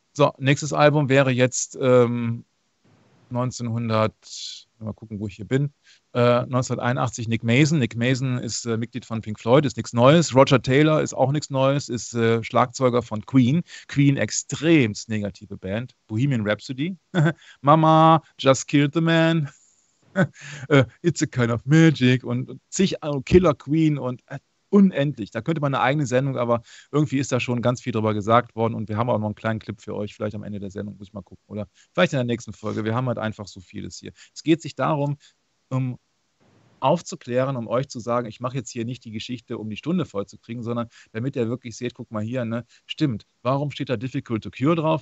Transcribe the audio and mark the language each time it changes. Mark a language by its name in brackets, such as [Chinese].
[German] So, nächstes Album wäre jetzt 1981 Nick Mason. Nick Mason ist Mitglied von Pink Floyd, ist nichts Neues. Roger Taylor ist auch nichts Neues, ist Schlagzeuger von Queen. Queen, extremst negative Band. Bohemian Rhapsody. [English] Mama, just killed the man. It's a kind of magic. [German] Und zig Killer Queen und unendlich. Da könnte man eine eigene Sendung, aber irgendwie ist da schon ganz viel drüber gesagt worden und wir haben auch noch einen kleinen Clip für euch, vielleicht am Ende der Sendung, muss ich mal gucken, oder vielleicht in der nächsten Folge. Wir haben halt einfach so vieles hier. Es geht sich darum, um aufzuklären, um euch zu sagen, ich mache jetzt hier nicht die Geschichte, um die Stunde voll zu kriegen, sondern damit ihr wirklich seht, guck mal hier, ne, stimmt, warum steht da Difficult to Cure drauf?